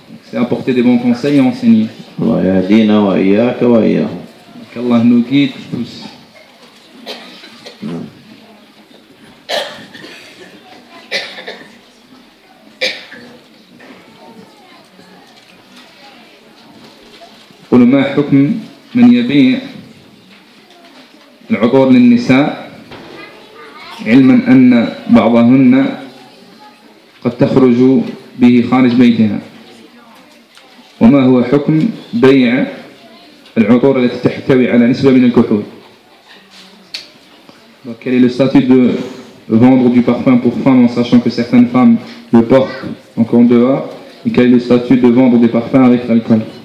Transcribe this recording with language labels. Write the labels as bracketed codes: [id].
[fr] C'est apporter des bons conseils et enseigner. [ar] الله يهدينا وإياك وإياهم. [fr] Qu'Allah nous guide tous. [ar] قل ما حكم من يبيع العطور للنساء علما أن بعضهن قد تخرج به خارج بيتها وما هو حكم بيع العطور التي تحتوي على نسبة من الكحول؟ [fr] Donc, quel est le statut de vendre du parfum pour femmes en sachant que certaines femmes le portent encore en dehors? Et quel est le statut de vendre des parfums avec l'alcool?